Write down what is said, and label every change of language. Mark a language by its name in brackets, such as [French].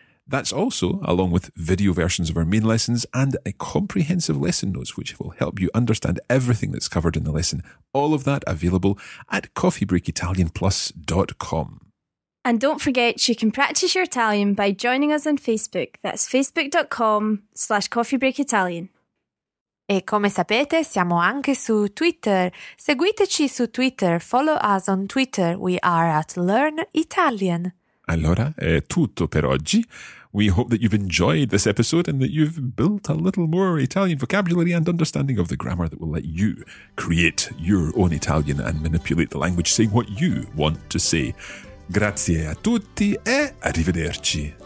[English] That's also, along with video versions of our main lessons and a comprehensive lesson notes, which will help you understand everything that's covered in the lesson. All of that available at coffeebreakitalianplus.com. And don't forget, you can practice your Italian by joining us on Facebook. That's facebook.com/coffeebreakitalian. [Italian] E come sapete, siamo anche su Twitter. Seguiteci su Twitter, [English] follow us on Twitter. We are at Learn Italian. [Italian] Allora, è tutto per oggi. [English] We hope that you've enjoyed this episode and that you've built a little more Italian vocabulary and understanding of the grammar that will let you create your own Italian and manipulate the language, saying what you want to say. [Italian] Grazie a tutti e arrivederci.